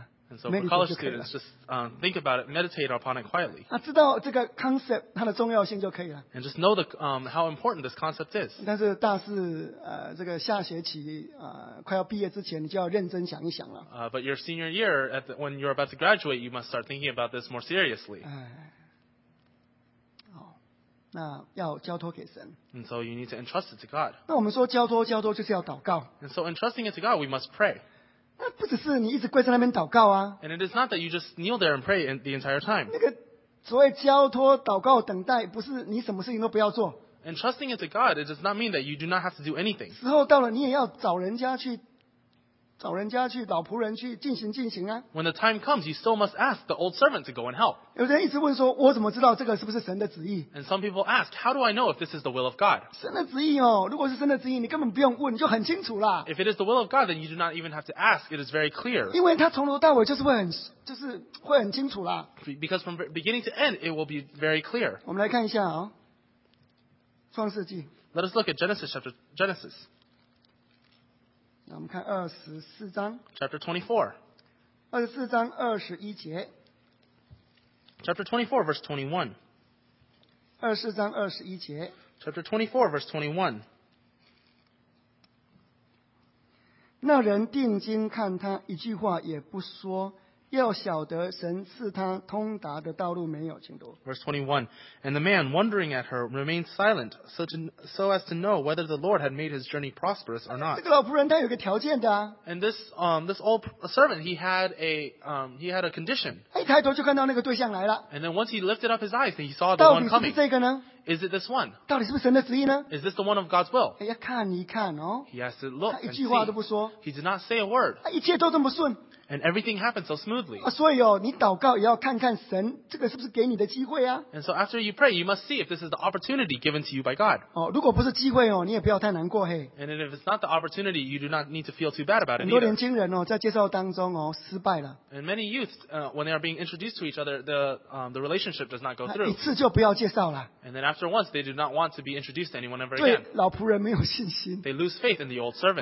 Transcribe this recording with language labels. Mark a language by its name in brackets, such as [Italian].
[English] And so for college students, just think about it, meditate upon it quietly. [Chinese] 啊, 知道这个 concept 它的重要性就可以了。 [English] And just know the, how important this concept is. [Chinese] 但是大四, 这个下学期, 快要毕业之前, 你就要认真想一想了。 [English] But your senior year, at the, when you're about to graduate, you must start thinking about this more seriously. [Chinese] 那要交托给神。 [English] And so you need to entrust it to God. [Chinese] 那我们说交托, 交托就是要祷告。 [English] And so entrusting it to God, we must pray. [Chinese] 那不只是你一直跪在那边祷告啊。 [English] And it is not that you just kneel there and pray the entire time. [Chinese] 那个所谓交托祷告等待，不是你什么事情都不要做。 [English] And trusting it to God, it does not mean that you do not have to do anything. [Chinese] 时候到了，你也要找人家去，找人家去，老仆人去进行进行啊。 [English] When the time comes, you still must ask the old servant to go and help. [Chinese] 有人一直问说，我怎么知道这个是不是神的旨意？ [English] And some people ask, how do I know if this is the will of God? [Chinese] 神的旨意哦，如果是神的旨意，你根本不用问，你就很清楚啦。 [English] If it is the will of God, then you do not even have to ask. It is very clear. [Chinese] 因为他从头到尾就是会很清楚啦。 [English] Because from beginning to end, it will be very clear. [Chinese] 我们来看一下哦，创世纪。 [English] Let us look at Genesis chapter Genesis. [Chinese] 那我们看24章 [English] Chapter 24 [Chinese] 24章21节 [English] Chapter 24 verse 21 [Chinese] 24章21节 [English] Chapter 24 verse 21 [Chinese] 那人定睛看他一句话也不说 要晓得神赐他通达的道路没有, 请读。 [English] Verse 21. And the man, wondering at her, remained silent, so as to know whether the Lord had made his journey prosperous or not. [Chinese] 这个老仆人他有个条件的啊。 [English] And this old servant, he had a condition. [Chinese] 他一抬头就看到那个对象来了。 [English] And then once he lifted up his eyes, he saw the one coming. [Chinese] 到底是不是这个呢? [English] Is it this one? [Chinese] 到底是不是神的旨意呢? [English] Is this the one of God's will? [Chinese] 要看一看哦。 [English] He has to look. [Chinese] 他一句话都不说。 [English] He did not say a word. [Chinese] 他一切都这么顺。 [English] And everything happens so smoothly. [Chinese] 所以哦，你祷告也要看看神这个是不是给你的机会啊。 [English] And so after you pray, you must see if this is the opportunity given to you by God. [Chinese] 哦，如果不是机会哦，你也不要太难过嘿。 [English] And if it's not the opportunity, you do not need to feel too bad about it. [Chinese] 很多年轻人哦，在介绍当中哦，失败了。 [English] And many youth, when they are being introduced to each other, the relationship does not go through. [Chinese] 一次就不要介绍了。 [English] And then after once, they do not want to be introduced to anyone ever again. [Chinese] 对老仆人没有信心。 [English] They lose faith in the old servant.